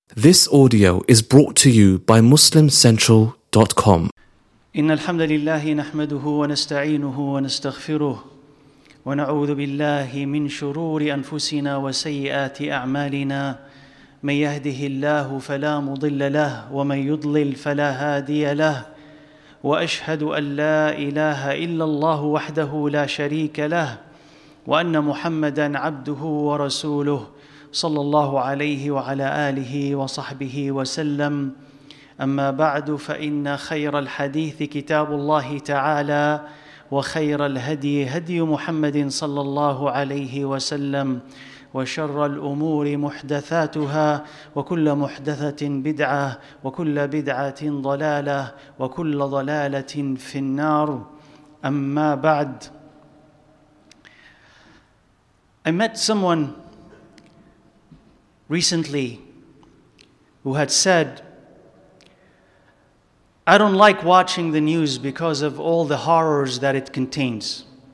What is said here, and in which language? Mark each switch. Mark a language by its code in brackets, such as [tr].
[en] This audio is brought to you by MuslimCentral.com. [ar] إن الحمد لله نحمده ونستعينه ونستغفره ونعوذ بالله من شرور أنفسنا وسيئات أعمالنا من يهده الله فلا مضل له ومن يضلل فلا هادي له وأشهد أن لا إله إلا الله وحده لا شريك له وأن محمدا عبده ورسوله صلى الله عليه وعلى آله وصحبه وسلم أما بعد فإن خير الحديث كتاب الله تعالى وخير الهدي هدي محمد صلى الله عليه وسلم وشر الأمور محدثاتها وكل محدثة بدعة وكل بدعة ضلالة وكل ضلالة في النار أما بعد. [en] I met someone recently who had said, I don't like watching the news because of all the horrors that it contains.